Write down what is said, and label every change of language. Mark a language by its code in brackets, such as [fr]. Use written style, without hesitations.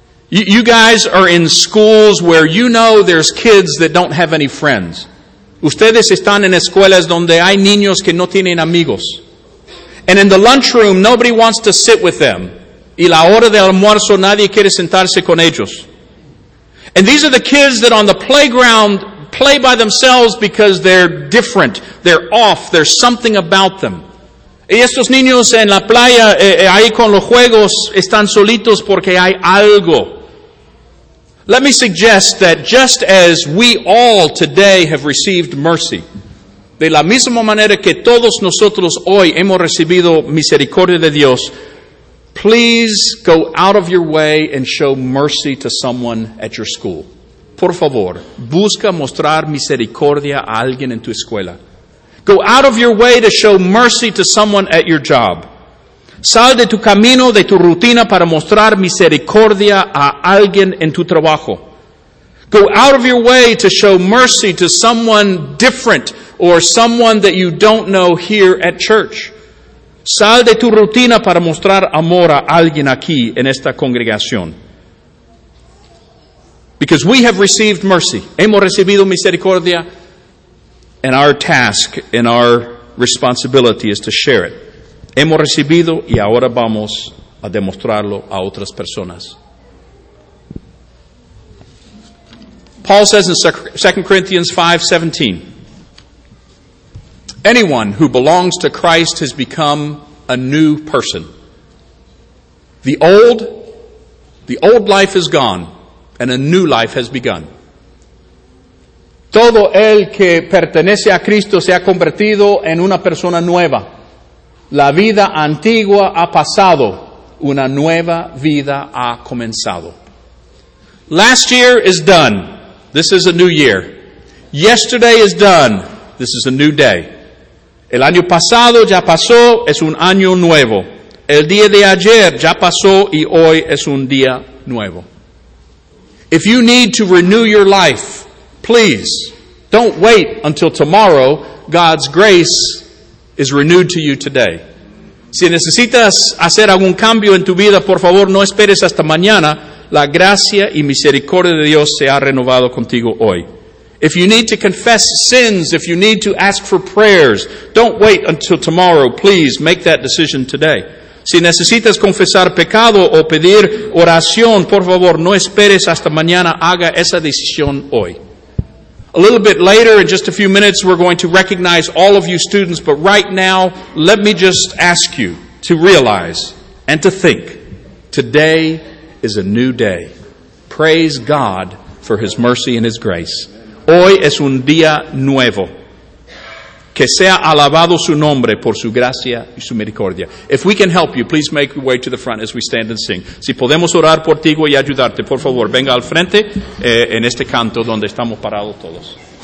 [en] You guys are in schools where you know there's kids that don't have any friends. [es] Ustedes están en escuelas donde hay niños que no tienen amigos. [en] And in the lunchroom, nobody wants to sit with them. [es] Y la hora del almuerzo, nadie quiere sentarse con ellos. [en] And these are the kids that on the playground play by themselves because they're different. They're off. There's something about them. [es] Y estos niños en la playa, ahí con los juegos, están solitos porque hay algo. [en] Let me suggest that just as we all today have received mercy, [es] de la misma manera que todos nosotros hoy hemos recibido misericordia de Dios, [en] please go out of your way and show mercy to someone at your school. [es] Por favor, busca mostrar misericordia a alguien en tu escuela. [en] Go out of your way to show mercy to someone at your job. [es] Sal de tu camino, de tu rutina, para mostrar misericordia a alguien en tu trabajo. [en] Go out of your way to show mercy to someone different or someone that you don't know here at church. [es] Sal de tu rutina para mostrar amor a alguien aquí en esta congregación. [en] Because we have received mercy. [es] Hemos recibido misericordia. [en] And our task and our responsibility is to share it. [es] Hemos recibido y ahora vamos a demostrarlo a otras personas. [en] Paul says in 2 Corinthians 5:17, "Anyone who belongs to Christ has become a new person. The old life is gone, and a new life has begun." [es] Todo el que pertenece a Cristo se ha convertido en una persona nueva. La vida antigua ha pasado, una nueva vida ha comenzado. [en] Last year is done. This is a new year. Yesterday is done. This is a new day. [es] El año pasado ya pasó, es un año nuevo. El día de ayer ya pasó y hoy es un día nuevo. [en] If you need to renew your life, please, don't wait until tomorrow. God's grace is renewed to you today. [es] Si necesitas hacer algún cambio en tu vida, por favor, no esperes hasta mañana. La gracia y misericordia de Dios se ha renovado contigo hoy. [en] If you need to confess sins, if you need to ask for prayers, don't wait until tomorrow. Please make that decision today. [es] Si necesitas confesar pecado o pedir oración, por favor, no esperes hasta mañana. Haga esa decisión hoy. [en] A little bit later, in just a few minutes, we're going to recognize all of you students. But right now, let me just ask you to realize and to think, today is a new day. Praise God for His mercy and His grace. [es] Hoy es un día nuevo. Que sea alabado su nombre por su gracia y su misericordia. [en] If we can help you, please make your way to the front as we stand and sing. [es] Si podemos orar por ti y ayudarte, por favor, venga al frente en este canto donde estamos parados todos.